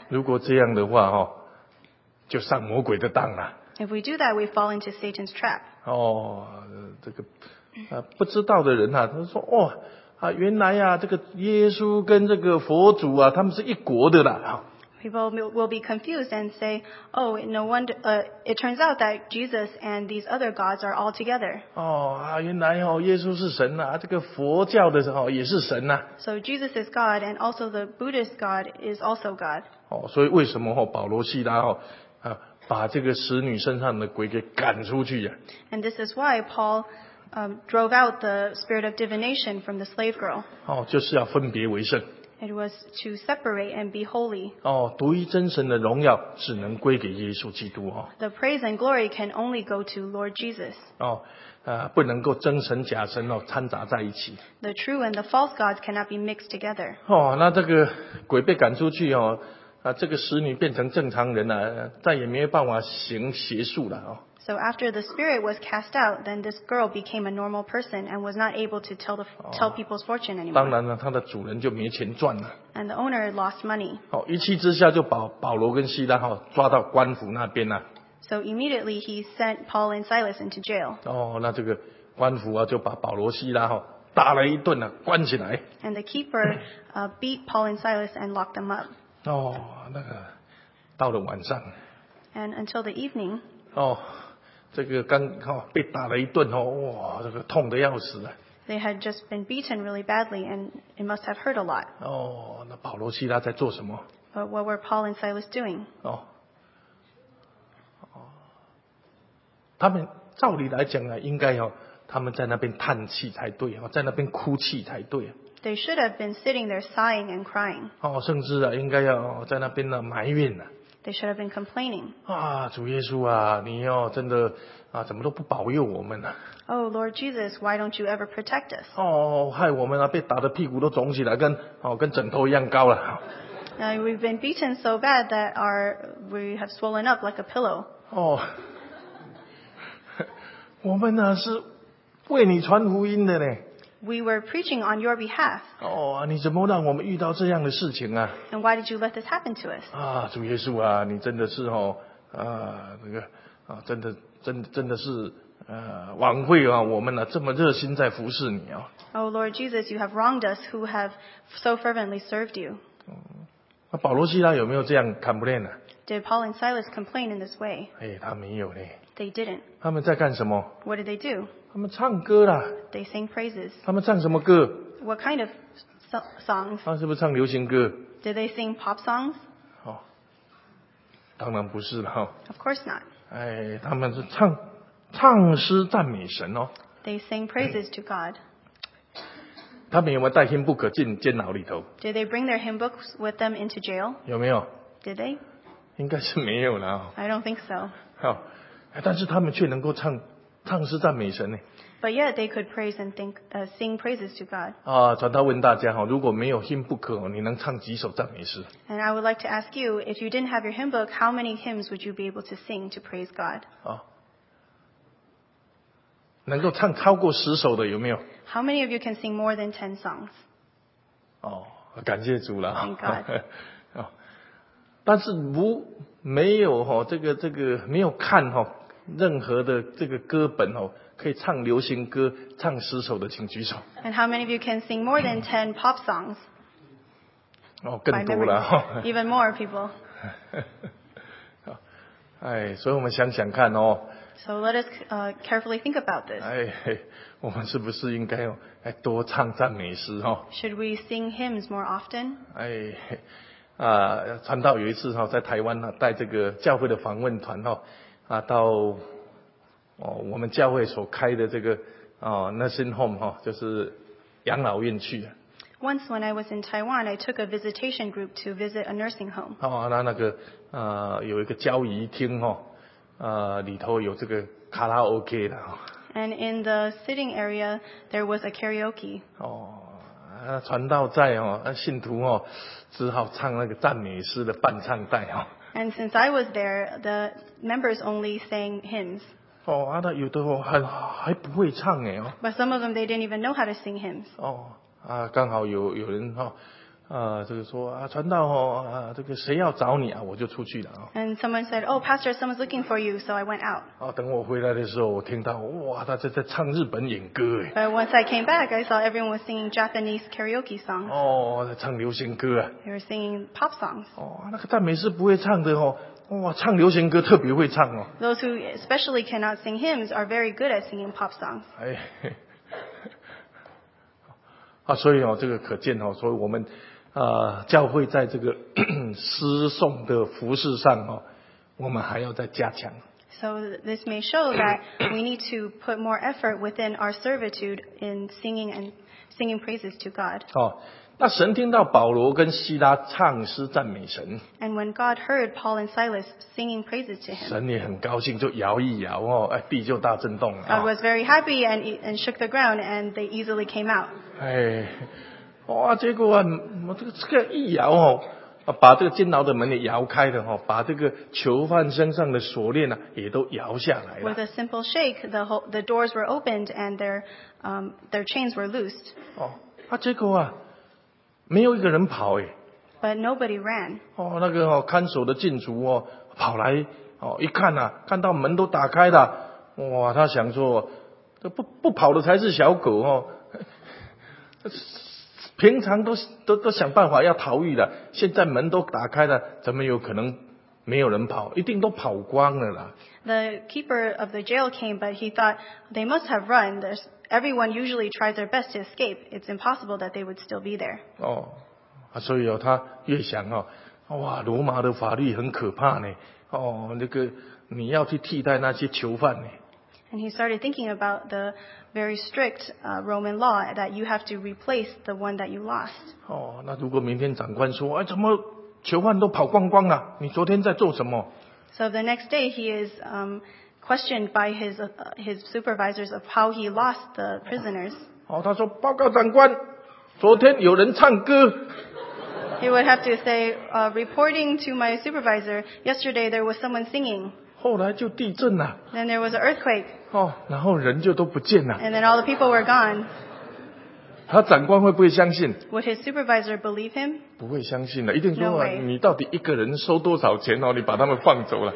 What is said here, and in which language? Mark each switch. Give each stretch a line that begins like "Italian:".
Chinese: 如果这样的话哈，哦，就上魔鬼的当了。
English: If we do that, we fall into Satan's trap.
Chinese: 哦，这个啊，不知道的人啊，他说哦啊，原来啊，这个耶稣跟这个佛祖啊，他们是一国的啦。
English: People will be confused and say, "Oh, no wonder." It turns out that Jesus and these other gods are all together.
Chinese: 哦啊，原来哦，耶稣是神啊，这个佛教的哦也是神啊。
English: So Jesus is God, and also the Buddhist God is also God.
Chinese: 哦，所以为什么哦，保罗、希拉哦啊？把这个使女身上的鬼给赶出去呀、啊、
English: ！And this is why Paul drove out the spirit of divination from the slave girl.
Chinese: 哦，就是要分别为圣。
English: It was to separate and be holy.
Chinese: 哦，独一真神的荣耀只能归给耶稣基督哦。
English: The praise and glory can only go to Lord Jesus.
Chinese: 哦，不能够真神假神哦掺杂在一起。
English: The true and the false gods cannot be mixed together.
Chinese: 哦，那这个鬼被赶出去哦，啊，这个使女变成正常人了，再也没有办法行邪术了哦。
English: So after the spirit was cast out, then this girl became a normal person and was not able to tell people's fortune anymore.
Chinese: 当然了，她的主人就没钱赚了。
English: And the owner lost money.
Chinese: 好，一气之下就把保罗跟希拉哈抓到官府那边了。
English: So immediately he sent Paul and Silas into jail.
Chinese: 哦，那这个官府啊就把保罗、希拉哈打了一顿了，关起来。
English: And the keeper beat Paul and Silas and locked them up.
Chinese: 哦，那个到了晚上。
English: And until the evening. 哦。
Chinese: 这个刚哈被打了一顿哦，哇，这个痛得要死了。
English: They had just been beaten really badly, and it must have hurt a lot.
Chinese: 哦，那保罗、希拉在做什么
English: ？But what were Paul and Silas doing?
Chinese: 哦，他们照理来讲呢，应该哦，他们在那边叹气才对啊，在那边哭泣才对。
English: They should have been sitting there sighing and crying.
Chinese: 哦，甚至啊，应该要在那边呢埋怨呢。
English: They should have been complaining.
Chinese: 啊，主耶稣啊，你哦，真的啊，怎么都不保佑我们呢、啊、
English: ？Oh Lord Jesus, why don't you ever protect us?
Chinese: 哦，害我们啊，被打的屁股都肿起来，跟哦跟枕头一样高了。
English: We've been beaten so bad that we have swollen up like a pillow.
Chinese: 哦，我们呢、啊、是为你传福音的呢。
English: We were preaching on your behalf.
Chinese: 哦，你怎么让我们遇到这样的事情啊
English: ？And why did you let this happen to us?
Chinese: 啊，主耶稣啊，你真的是哦，那个啊，真的是枉费啊，我们呢、啊、这么热心在服侍你啊。
English: Oh Lord Jesus, you have wronged us who have so fervently served you.
Chinese: 那保罗、希拉有没有这样
English: complain
Chinese: 呢、啊、
English: ？Did Paul and Silas complain in this way?
Chinese: 哎，他没有嘞。
English: They didn't.
Chinese: 他们在干什么
English: ？What did they do?
Chinese: 他们唱歌啦
English: They sing praises.
Chinese: 他们唱什么歌
English: What kind of songs?
Chinese: 他们是不是唱流行歌
English: Did they sing pop songs?
Chinese: 哦，当然不是了、哦、
English: Of course not.
Chinese: 哎，他们是唱诗赞美神哦
English: They sing praises to God.
Chinese: 他们有没有带 hymn book 进监牢里头
English: Did they bring their hymn books with them into jail?
Chinese: 有没有
English: Did they?
Chinese: 应该是没有了、哦、
English: I don't think so.
Chinese: 好、哦，但是他们却能够唱诗赞美神呢。
English: But yet they could praise and think, sing praises to God.
Chinese: 啊，传道问大家哈，如果没有 hymn book， 你能唱几首赞美诗
English: ？And I would like to ask you, if you didn't have your hymn book, how many hymns would you be able to sing to praise God？
Chinese: 啊，能够唱超过十首的有没有
English: ？How many of you can sing more than 10 songs？
Chinese: 哦，感谢主了。
English: Thank God.
Chinese: 但是没有哈，这个没有看哈。任何的这个歌本哦，可以唱流行歌、唱诗首的，请举手。
English: And how many of you can sing more than 10 pop songs？
Chinese: 哦，更多了。
English: Even more people。
Chinese: 哎，所以我们想想看哦。
English: So let us carefully think about this。
Chinese: 哎，我们是不是应该哦，多唱赞美诗哦
English: ？Should we sing hymns more often？哎。
Chinese: 啊，传道有一次哈，在台湾呢，带这个教会的访问团哦。啊，到哦，我们教会所开的这个哦 ，nursing home 哈、哦，就是养老院去。
English: Once when I was in Taiwan, I took a visitation group to visit a nursing home.
Chinese: 哦，那个有一个交谊厅哈、哦，里头有这个卡拉 OK 的哈、哦。
English: And in the sitting area, there was a karaoke.
Chinese: 哦，那传道在哦，那信徒哦，只好唱那个赞美诗的伴唱带哈、哦。
English: And since I was there, the members only sang hymns.
Chinese: 哦，阿达有的还不会唱哎哦。
English: But some of them they didn't even know how to sing hymns.
Chinese: 哦，啊，刚好有人哈，这个说啊，传道哦，啊，这个谁要找你啊，我就出去了啊。
English: And someone said, "Oh, pastor, someone's looking for you," so I went out.
Chinese: 哦，等我回来的时候，我听到哇，他在唱日本演歌哎。
English: But once I came back, I saw everyone was singing Japanese karaoke songs.
Chinese: 哦，在唱流行歌啊。
English: They were singing pop songs.
Chinese: 哦，那个赞美诗不会唱的哦。哇，唱流行歌特别会唱哦。
English: Those who especially cannot sing hymns are very good at singing pop songs.
Chinese: 哎，啊，所以哦，这个可见哦，所以我们教会在这个诗颂的服事上哦，我们还要再加强。
English: So this may show that we need to put more effort within our servitude in singing praises to God. 哦，
Chinese: 那神听到保罗跟希拉唱诗赞美神。
English: And when God heard Paul and Silas singing praises to him.
Chinese: 神也很高兴就摇一摇哦，哎，地就大震动了。
English: God was very happy and shook the ground and they easily came out.
Chinese: 哎，哇，结果啊，这个一摇哦，把这个监牢的门也摇开了，把这个囚犯身上的锁链啊也都摇下来了。
English: With a simple shake, the doors were opened and their chains were loosed.
Chinese: 哦，啊，结果啊，没有一个人跑耶。
English: But nobody ran.
Chinese: 哦，那个哦，看守的禁足哦，跑来哦，一看啊，看到门都打开了，哇，他想说，不跑的才是小狗哦。平常都想办法要逃逸的，现在门都打开了，怎么有可能没有人跑？一定都跑光了啦。
English: The keeper of the jail came, but he thought they must have run. Everyone usually tries their best to escape. It's impossible that they would still be there.
Chinese: 哦，啊，所以哦，他越想哦，哇，罗马的法律很可怕呢。哦，那个你要去替代那些囚犯呢。
English: And he started thinking about the very strict Roman law that you have to replace the one that you lost.
Chinese: 哦，那如果明天长官说，哎，怎么囚犯都跑光光了？你昨天在做什么？
English: So the next day he is questioned by his supervisors of how he lost the prisoners.
Chinese: 哦，他说报告长官，昨天有人唱歌。
English: He would have to say, reporting to my supervisor, yesterday there was someone singing.
Chinese: 后来就地震了。
English: Then there was an earthquake.
Chinese: 哦，然后人就都不见了。
English: And then all the people were gone.
Chinese: 他长官会不会相信？
English: Would his supervisor believe him?
Chinese: 不会相信的，一定说、
English: no、
Chinese: 你到底一个人收多少钱哦？你把他们放走了。